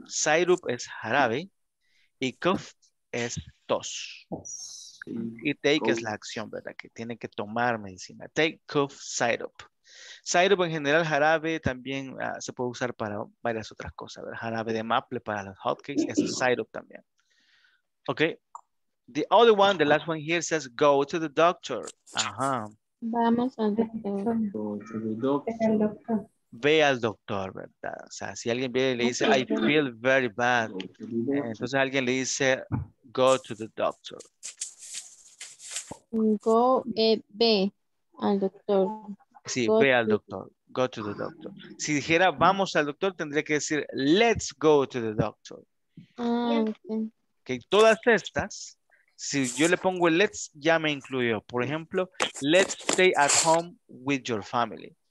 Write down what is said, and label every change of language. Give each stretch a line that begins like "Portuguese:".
Spanish: Syrup es jarabe y cough es tos. Y take es la acción, ¿verdad? Que tiene que tomar medicina.
English: Take cough syrup.
Spanish: Syrup en general, jarabe también se puede usar para varias otras cosas, ¿verdad? Jarabe de maple para los hotcakes es syrup también. Ok.
English: The other one, the last one here says, go to the doctor.
Spanish: Ajá. Vamos al doctor. Ve al doctor, ¿verdad? O sea, si alguien viene y le dice,
English: I feel very bad.
Spanish: Entonces alguien le dice,
English: go to the doctor.
Spanish: Go, ve al doctor. Sí, go ve al doctor.
English: Go to the doctor.
Spanish: Si dijera, vamos al doctor, tendría que decir,
English: let's go to the doctor. Okay.
Spanish: Okay, todas estas... Si yo le pongo el let's, ya me incluyo. Por ejemplo,
English: let's stay at home with your family.